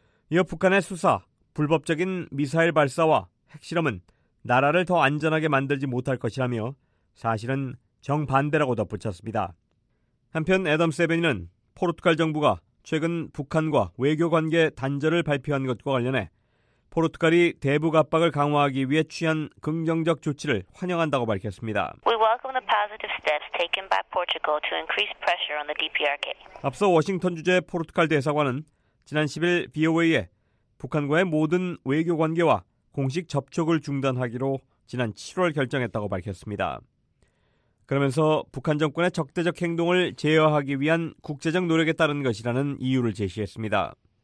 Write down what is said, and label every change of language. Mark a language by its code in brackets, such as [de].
[ko] 이어 북한의 수사, 불법적인 미사일 발사와 핵실험은 나라를 더 안전하게 만들지 못할 것이라며 사실은 정반대라고 덧붙였습니다. 한편 애덤 세베니는 포르투갈 정부가 최근 북한과 외교관계 단절을 발표한 것과 관련해 포르투갈이 대북 압박을 강화하기 위해 취한 긍정적 조치를 환영한다고 밝혔습니다. [en] We welcome the positive steps taken by Portugal to increase pressure on the DPRK. [ko] 앞서 워싱턴 주재 포르투갈 대사관은 지난 10일 VOA에 북한과의 모든 외교 관계와 공식 접촉을 중단하기로 지난 7월 결정했다고 밝혔습니다. 그러면서 북한 정권의 적대적 행동을 제어하기 위한 국제적 노력에 따른 것이라는 이유를 제시했습니다.